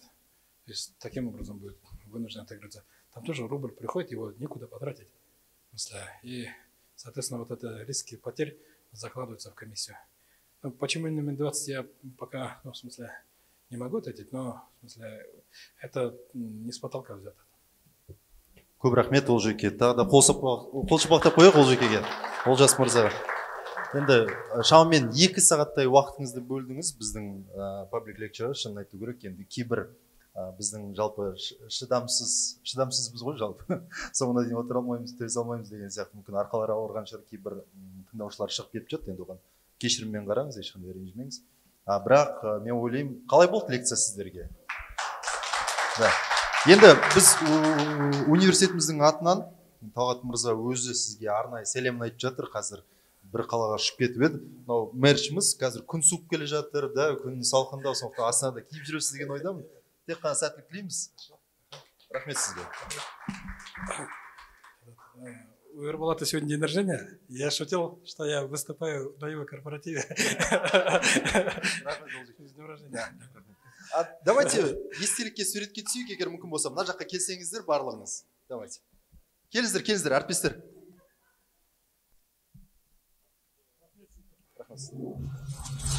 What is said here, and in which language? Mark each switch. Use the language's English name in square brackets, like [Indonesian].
[Russian] То есть таким образом будет вынужден отыгрываться. Там тоже рубль приходит, его некуда потратить. И, соответственно, вот эти риски потерь закладываются в комиссию. Почему именно 20, я пока, ну, в смысле, не могу ответить, но в смысле, это не с потолка взято. [Kazakh] Көп рахмет, Олжеке. Тағы да қолшапақтап қояйық Олжекеге. Олжас Мырза. Енді шамамен 2 сағаттай уақытыңызды бөлдіңіз біздің паблик лекчерге, шынын айту керек. Енді кейбір біздің жалпы шыдамсызбыз ғой жалпы. Соңына дейін отыра алмаймыз, төзе алмаймыз деген сияқты мүмкін арқалары ауырған шығар, кейбір тыңдаушылар шығып кетіп жатты. Енді оған кешіріммен қараңыз, ешқандай ренжімеңіз. Бірақ мен ойлаймын, қалай болды лекция сіздерге? Енді біз университетіміздің атынан Талғат Мырза өзі сізге арнайы сәлемін айтып жатыр. Қазір бір қалаға ұшып кетіп еді. Мынау мерчіміз қазір күн суып келе жатыр, да, күн салқындау, сондықтан астанада киіп жүресіз деген ойдамын. Тек қана сәттілік тілейміз. Рахмет сізге. [Russian] У Ерболата сегодня день рождения. Я шутил, что я выступаю на его корпоративе. С днем рождения. А давайте [Kazakh] естелікке суретке түсейік, егер мүмкін болса, мына жаққа келсеңіздер барлығыңыз. Давайте. Келіңіздер, келіңіздер, әріптестер.